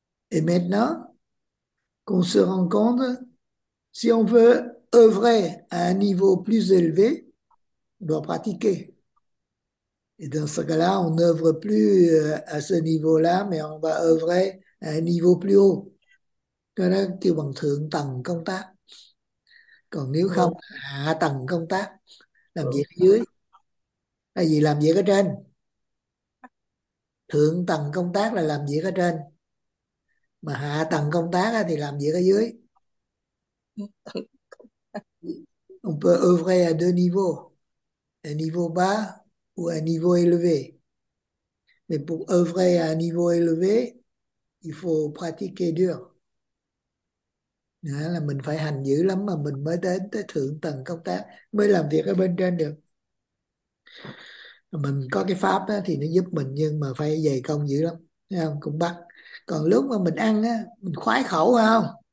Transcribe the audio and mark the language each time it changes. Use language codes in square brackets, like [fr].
[fr] Et maintenant qu'on se rend compte, si on veut œuvrer à un niveau plus élevé, on doit pratiquer. Et dans ce cas-là, on n'œuvre plus à ce niveau-là, mais on va œuvrer à un niveau plus haut. [vi] Cái đó kêu bằng thượng tầng công tác. Còn nếu không, hạ tầng công tác, làm việc ở dưới. Tại vì làm việc ở trên. Thượng tầng công tác là làm việc ở trên. Mà hạ tầng công tác thì làm việc ở dưới. Ừ. [fr] Peut œuvrer à deux niveaux. un niveau bas ou un niveau élevé. Mais pour œuvrer à un niveau élevé, il faut pratiquer dur. [vi] Đó là mình phải hành dữ lắm mà mình mới đến tới thượng tầng công tác, mới làm việc ở bên trên được. Mình có cái pháp đó thì nó giúp mình, nhưng mà phải dày công dữ lắm, thấy không? Cũng bắt. Còn lúc mà mình ăn á, mình khoái khẩu không?